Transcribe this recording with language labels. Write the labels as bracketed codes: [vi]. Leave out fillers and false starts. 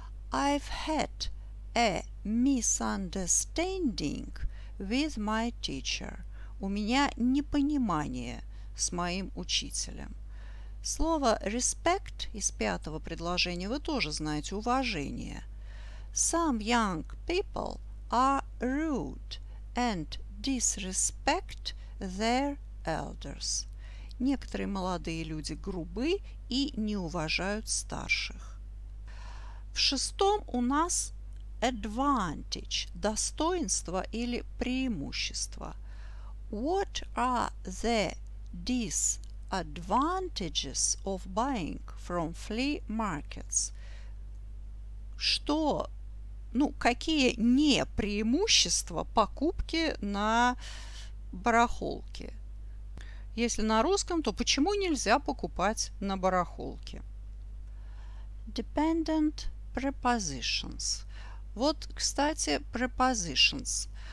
[en] I've had a misunderstanding with my teacher. [ru] У меня непонимание с моим учителем. Слово respect из пятого предложения вы тоже знаете, уважение. [en] Some young people are rude and disrespect their elders. [ru] Некоторые молодые люди грубы и не уважают старших. В шестом у нас advantage – достоинство или преимущество. [en] What are the disadvantages of buying from flea markets? [ru] Что, ну, какие не преимущества покупки на барахолке? Если на русском, то почему нельзя покупать на барахолке? [en] Dependent prepositions. [ru] Вот, кстати, [en] prepositions.